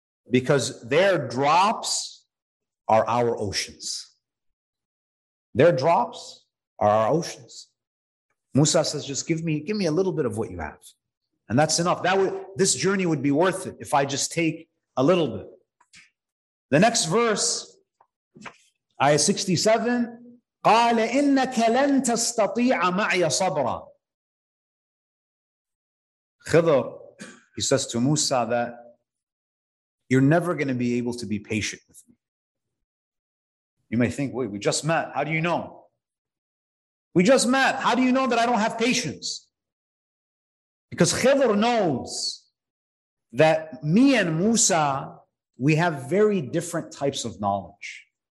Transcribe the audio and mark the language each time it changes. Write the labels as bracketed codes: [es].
[en] Because their drops are our oceans. Their drops are our oceans. Musa says, just give me a little bit of what you have. And that's enough. This journey would be worth it if I just take a little bit. [ar] The next verse, Ayah 67, قَالَ إِنَّكَ لَن تَسْتَطِيعَ مَعْيَ صَبْرًا. [en] Khidr, he says to Musa that you're never going to be able to be patient with me. You may think, wait, we just met. How do you know? We just met. How do you know that I don't have patience? Because Khidr knows that me and Musa, we have very different types of knowledge.